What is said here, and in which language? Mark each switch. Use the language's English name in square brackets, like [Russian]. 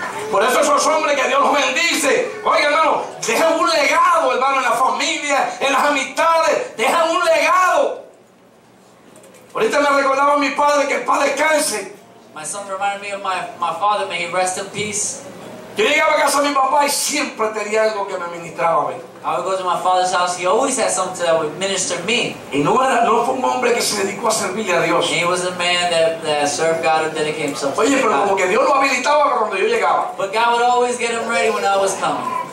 [Spanish] Por eso esos hombres que Dios los bendice. Oiga, hermano, dejan un legado, hermano, en la familia, en las amistades. Dejan un legado. Ahorita me recordaba a mi padre, que el padre descanse. [English] My son reminded me of my father, may he rest in peace. [Spanish] Yo llegaba a casa de mi papá y siempre tenía algo que me ministraba a mí. [English] I would go to my father's house, he always had something that would minister me. [Spanish] Y no fue un hombre que se dedicó a servirle a Dios. [English] He was a man that served God and dedicated himself. [Spanish] Oye, pero como que Dios lo habilitaba cuando yo llegaba. [English] But God would always get him ready when I was coming.